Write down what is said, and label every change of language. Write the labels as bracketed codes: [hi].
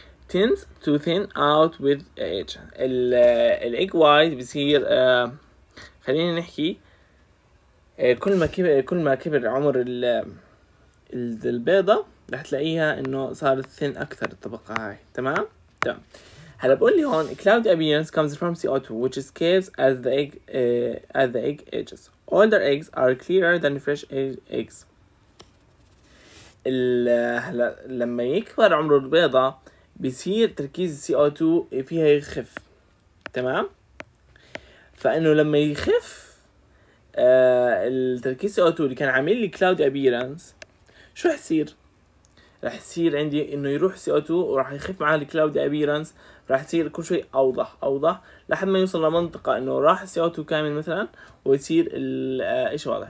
[en] tends to thin out with age. [ar] ال egg white بصير خلينا نحكي كل ما كبر عمر البيضة رح تلاقيها انه صارت thin اكثر الطبقة هاي. تمام تمام. هلا بقول لي هون [en] cloud appearance comes from CO2 which escapes as the egg as the egg ages. older eggs are clearer than fresh eggs. [ar] هلا لما يكبر عمر البيضة بيصير تركيز الـ CO2 فيها يخف. تمام؟ فإنه لما يخف التركيز CO2 اللي كان عامل لي cloud appearance شو حصير؟ رح يصير عندي إنه يروح CO2 ورح يخف معاه الـ cloud appearance، رح يصير كل شوي أوضح أوضح لحد ما يوصل لمنطقة إنه راح CO2 كامل مثلا ويصير إيش واضح.